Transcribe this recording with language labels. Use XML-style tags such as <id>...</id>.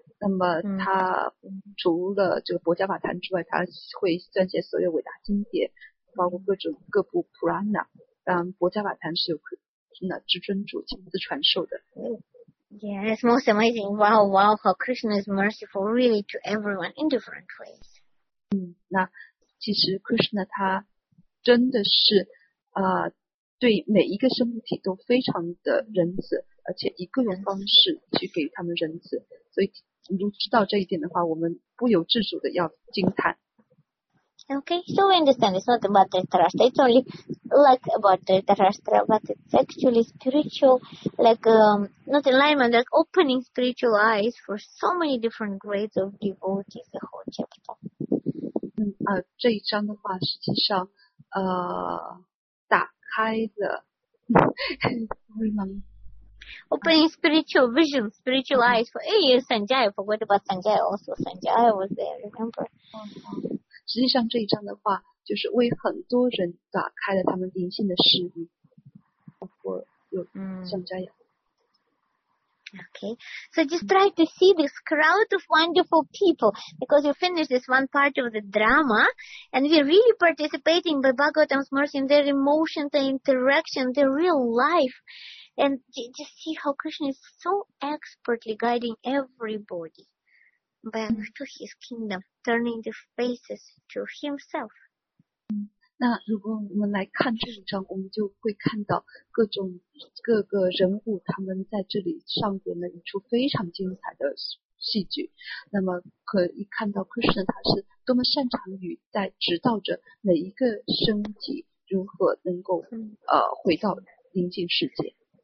<zh>那么他除了这个《薄伽梵坛》之外，他会撰写所有伟大经典，包括各种各部 Purana。当然，《薄伽梵坛》是由那至尊主亲自传授的。</zh> <en>Yeah, that's most amazing. Wow, wow, how Krishna is merciful really to everyone in different ways.</en> <zh>那其实 Krishna 他真的是对每一个生物体都非常的仁慈，而且以各种方式去给他们仁慈，所以。你都知道这一点的话，我们不由自主的要惊叹。</zh> <en>Okay, so we understand it's not about Dhritarashtra, it's only like about Dhritarashtra, but it's actually spiritual, like not enlightenment, like opening spiritual eyes for so many different grades of devotees. The whole chapter.</en> <zh>这一章的话，实际上打开了。</zh> <en>Opening spiritual vision, spiritual eyes for Sanjaya. Forgot about Sanjaya. Also, Sanjaya was there. Remember?</en> <zh>实际上这一章的话，就是为很多人打开了他们灵性的视野，包括有Sanjaya。</zh> <en>Okay, so just try to see this crowd of wonderful people, because you finish this one part of the drama, and we're really participating by Bhagavatam's mercy in their emotion, their interaction, their real life. And just see how Krishna is so expertly guiding everybody back to his kingdom, turning the faces to himself.</en> <zh>那如果我们来看这一章，我们就会看到各个人物他们在这里上演了一出非常精彩的戏剧。那么可以看到 Krishna 他是多么擅长于在指导着每一个生体如何能够回到宁静世界。</zh>